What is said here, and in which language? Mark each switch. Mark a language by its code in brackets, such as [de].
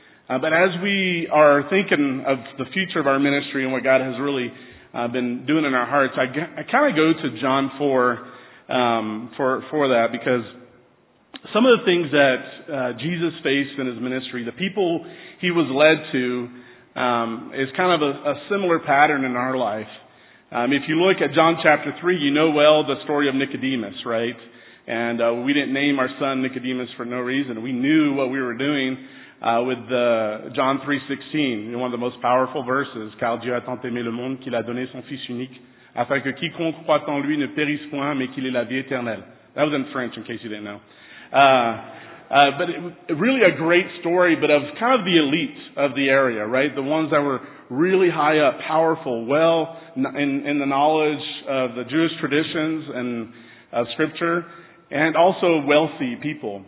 [en] But as we are thinking of the future of our ministry and what God has really been doing in our hearts, I kind of go to John 4 for that, because some of the things that Jesus faced in his ministry, the people he was led to, is kind of a similar pattern in our life. If you look at John chapter 3, you know well the story of Nicodemus, right? And we didn't name our son Nicodemus for no reason. We knew what we were doing with the John 3:16, one of the most powerful verses. [fr] Car Dieu a tant aimé le monde qu'il a donné son fils unique, afin que quiconque croit en lui ne périsse point, mais qu'il ait la vie éternelle. [en] That was in French, in case you didn't know. But it really a great story, but of kind of the elite of the area, right? The ones that were really high up, powerful, well in the knowledge of the Jewish traditions and of scripture, and also wealthy people.